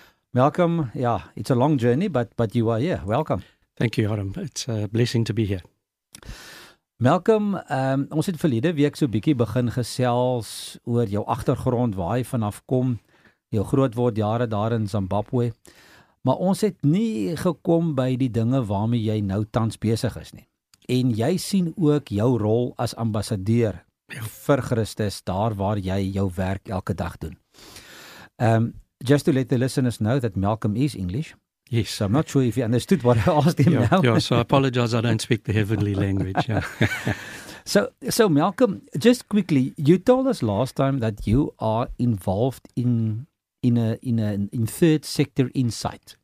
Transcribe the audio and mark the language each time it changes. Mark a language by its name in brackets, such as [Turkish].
[English] Welcome, yeah, it's a long journey, but you are here. Welcome. Thank you, Harm. It's a blessing to be here. [Afrikaans] Malcolm, ons het verlede week so bietjie begin gesels oor jou agtergrond, waar jy vanaf kom, jou grootword jare daar in Zimbabwe. Maar ons het nie gekom by die dinge waarmee jy nou tans besig is nie. En jy sien ook jou rol as ambassadeur vir Christus daar waar jy jou werk elke dag doen. [English] Just to let the listeners know that Malcolm is English. Yes. So I'm not sure if you understood what I asked him now. Yeah, so I apologize, I don't speak the heavenly language. Yeah. So Malcolm, just quickly, you told us last time that you are involved in third sector insight.